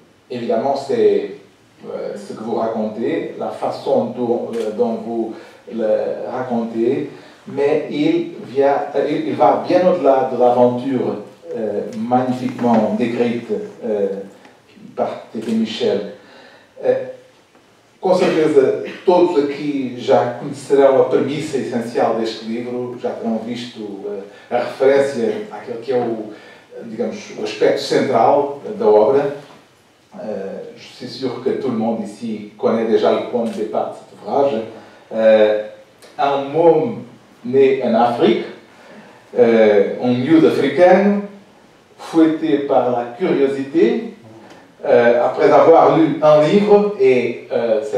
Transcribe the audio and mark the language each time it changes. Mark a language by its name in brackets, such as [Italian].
[French] Évidemment, c'est ce que vous racontez, la façon dont vous le racontez, mais il va bien au-delà de l'aventure magnifiquement décrite par Tete Michel. [Portuguese] Com certeza, todos aqui já conhecerão a premissa essencial deste livro, já terão visto a referência àquele que é o, digamos, o aspecto central da obra. [French] Je suis sûr que tout le monde ici connaît déjà le point de départ de cet ouvrage. Un môme né en Afrique, un youth africain, fouetté par la curiosité, après avoir lu un livre, et ce